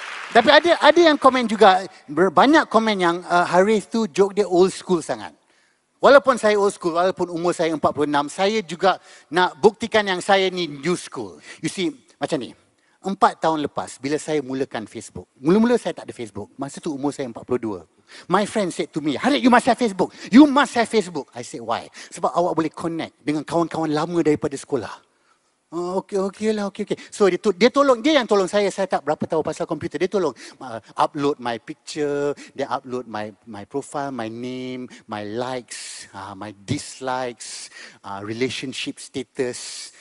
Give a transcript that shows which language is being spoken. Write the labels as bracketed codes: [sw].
[ms] Tapi ada yang komen juga, banyak komen yang Haris tu joke dia old school sangat. Walaupun saya old school, walaupun umur saya 46, saya juga nak buktikan yang saya ni new school. [en] You see, [ms] macam ni. 4 tahun lepas, bila saya mulakan Facebook. Mula-mula saya tak ada Facebook. Masa tu umur saya 42. [en] My friend said to me, Harik, you must have Facebook. I said, why? [ms] Sebab awak boleh connect dengan kawan-kawan lama daripada sekolah. Okey. So dia tolong saya tak berapa tahu pasal komputer. Dia tolong upload [en] my picture, [ms] dia upload [en] my profile, my name, my likes, my dislikes, relationship status.